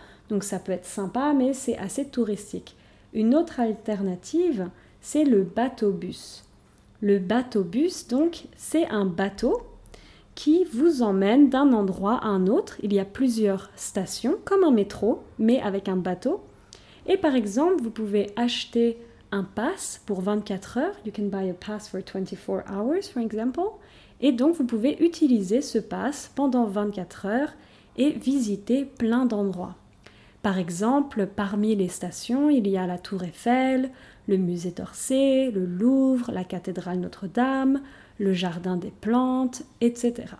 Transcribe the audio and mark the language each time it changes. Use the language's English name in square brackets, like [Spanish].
[French] Donc, ça peut être sympa, mais c'est assez touristique. Une autre alternative, c'est le bateau-bus. Le bateau-bus, donc, c'est un bateau qui vous emmène d'un endroit à un autre. Il y a plusieurs stations, comme un métro, mais avec un bateau. Et par exemple, vous pouvez acheter un pass pour 24 heures. [English] You can buy a pass for 24 hours, for example. [French] Et donc, vous pouvez utiliser ce pass pendant 24 heures et visiter plein d'endroits. Par exemple, parmi les stations, il y a la Tour Eiffel, le Musée d'Orsay, le Louvre, la Cathédrale Notre-Dame, le jardin des plantes, etc.